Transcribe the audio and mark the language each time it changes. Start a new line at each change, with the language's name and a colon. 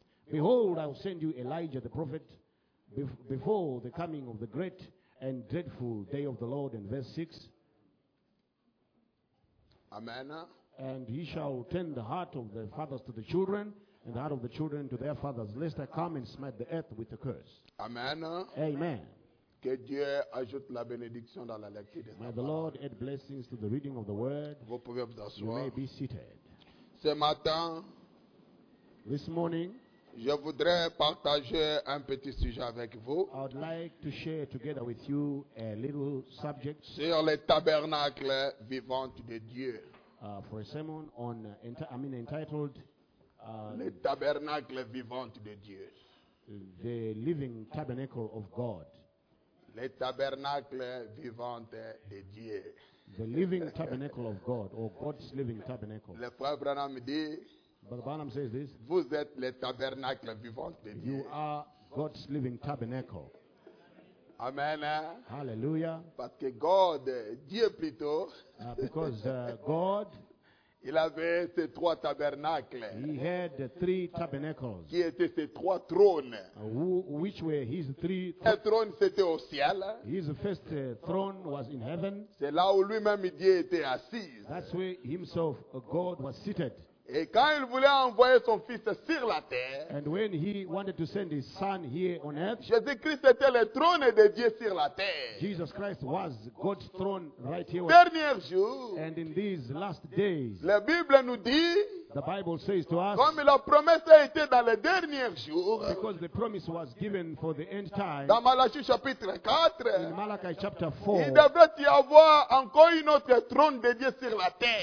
English: Behold, I will send you Elijah the prophet before the coming of the great and dreadful day of the Lord. In verse 6. Amen. And he shall turn the heart of the fathers to the children, and the heart of the children to their fathers, lest I come and smite the earth with a curse. Amen. Amen.
French: Que Dieu ajoute la bénédiction dans la lecture de
English: May the Lord add blessings to the reading of the word.
French: Vous pouvez vous asseoir.
English: You may be seated.
French: Ce matin,
English: this morning,
French: je voudrais partager un petit sujet avec vous.
English: I would like to share together with you a little subject.
French: Sur le tabernacle vivant de Dieu.
English: For a sermon on, entitled
French: Le tabernacle vivant de Dieu.
English: The living tabernacle of God.
French: Le tabernacle vivant de Dieu.
English: The living tabernacle of God, or God's living tabernacle.
French: Le frère Branham dit,
English: Brother Branham says this,
French: vous êtes le tabernacle vivant de Dieu.
English: You are God's living tabernacle. Amen. Hallelujah.
French: Parce que God, Dieu plutôt,
English: God,
French: il avait ses trois tabernacles.
English: He had three tabernacles.
French: Qui étaient ses trois trônes.
English: Which were his three
French: thrones. Un trône, c'était au ciel.
English: His first throne was in heaven.
French: C'est là où lui-même Dieu était assis.
English: That's where himself, God, was seated.
French: Et quand il voulait envoyer son fils sur la terre,
English: and when he wanted to send his son here on earth,
French: Jésus-Christ était le trône de Dieu sur la terre.
English: Jesus Christ was God's throne right here.
French: Dernier jour,
English: and in these last days,
French: la Bible nous dit,
English: the Bible says to us,
French: comme la promesse a été dans les derniers jours,
English: because the promise was given for the end time,
French: dans Malachi chapitre 4,
English: in Malachi chapter 4,
French: il devrait y avoir encore un autre trône de Dieu sur la terre.